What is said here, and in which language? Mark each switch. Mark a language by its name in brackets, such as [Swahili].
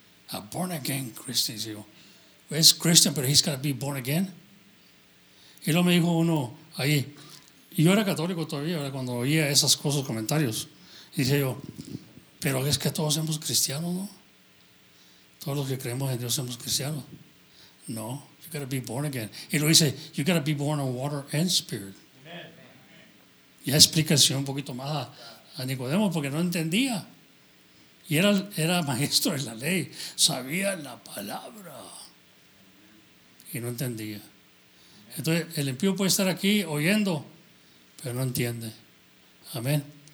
[English] A born again Christian, digo. Es Christian, pero he's gotta be born again. [Spanish] Y luego me dijo uno ahí, y yo era católico todavía, ¿verdad? Cuando oía esas cosas, comentarios. Y dije yo, pero es que todos somos cristianos, ¿no? Todos los que creemos en Dios somos cristianos. [English] No. You gotta be born again. Y lo dice, you gotta be born on water and spirit. [Spanish] Ya explica el Señor un poquito más a Nicodemo porque no entendía. Y era maestro de la ley. Sabía la palabra. Y no entendía. Entonces, el impío puede estar aquí oyendo, pero no entiende. Amén.